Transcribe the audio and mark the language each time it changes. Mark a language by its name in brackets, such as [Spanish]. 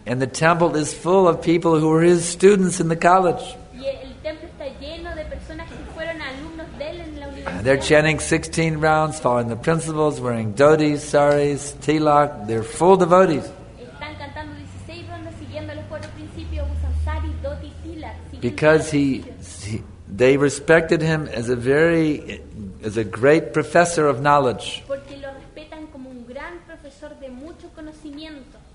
[English] And the temple is full of people who were his students in the college. [Spanish] Y el templo está lleno de personas que fueron alumnos de él en la universidad. [English] They're chanting 16 rounds, following the principles, wearing dhotis, saris, tilak. They're full devotees. [Spanish] Están cantando 16 rondas, siguiendo los cuatro principios, usan saris, dhotis, tilak. [English] Because they respected him as a great professor of knowledge. [Spanish] Porque lo respetan como un gran profesor de mucho conocimiento.